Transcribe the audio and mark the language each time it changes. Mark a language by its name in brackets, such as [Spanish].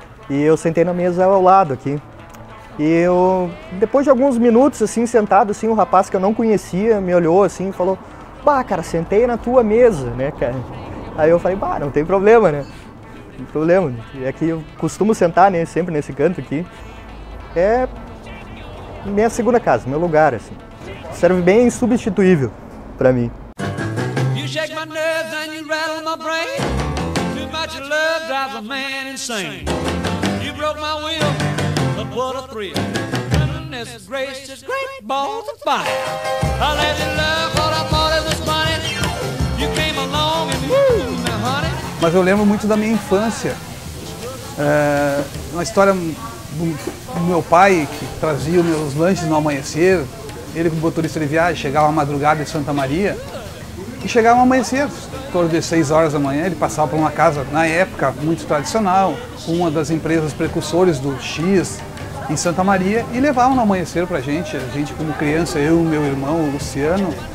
[Portuguese] E eu sentei na mesa ao lado aqui. E eu, depois de alguns minutos, assim, sentado, assim, um rapaz que eu não conhecia me olhou assim e falou: "Bah, cara, sentei na tua mesa, né, cara?" Aí eu falei: "Bah, não tem problema, né? Não tem problema." É que eu costumo sentar, né, sempre nesse canto aqui. É minha segunda casa, meu lugar, assim. Serve Bem insubstituível pra mim. [English] You shake my nerves and you rattle my brain. Too much love drives a man insane. You broke my will, but what a thrill. Goodness gracious, great balls of fire. I let you love what I thought it was funny. You came along and woo, my honey. [Portuguese] Mas eu lembro muito da minha infância. Uma história do meu pai, que trazia os meus lanches no amanhecer. Ele, como motorista de viagem, chegava à madrugada em Santa Maria e chegava ao amanhecer, em torno de 6 horas da manhã. Ele passava por uma casa, na época, muito tradicional, uma das empresas precursores do X em Santa Maria, e levava no amanhecer para a gente como criança, eu e meu irmão, o Luciano.